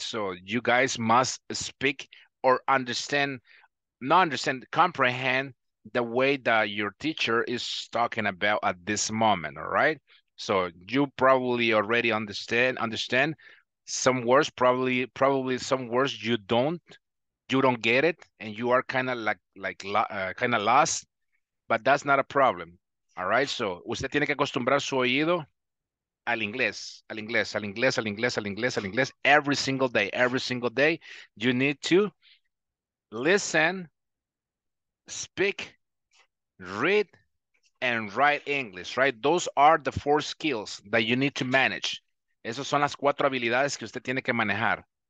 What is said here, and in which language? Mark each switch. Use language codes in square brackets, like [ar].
[en] So you guys must speak or understand, not understand, comprehend the way that your teacher is talking about at this moment, all right? So you probably already understand some words, probably some words you don't get it, and you are kind of kind of lost, but that's not a problem, all right? [es] So usted tiene que acostumbrar su oído al inglés, al inglés, al inglés, al inglés, al inglés, al inglés, [en] every single day, every single day. You need to listen, speak, read, and write English, right? Those are the four skills that you need to manage. [es] Esas son las cuatro habilidades que usted tiene que manejar.